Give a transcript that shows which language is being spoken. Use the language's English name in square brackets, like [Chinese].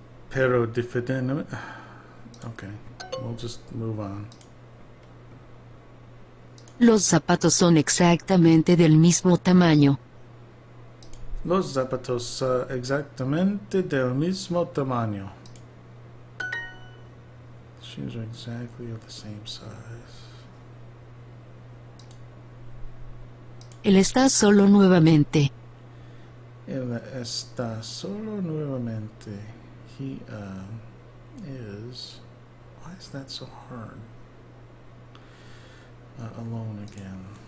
[Spanish] Pero definitivamente. [English] Okay, we'll just move on. [Spanish] Los zapatos son exactamente del mismo tamaño. Los zapatos exactamente del mismo tamaño. [English] Shoes are exactly of the same size. [Spanish] Él está solo nuevamente. Él está solo nuevamente. [English] He is. Why is that so hard? Alone again.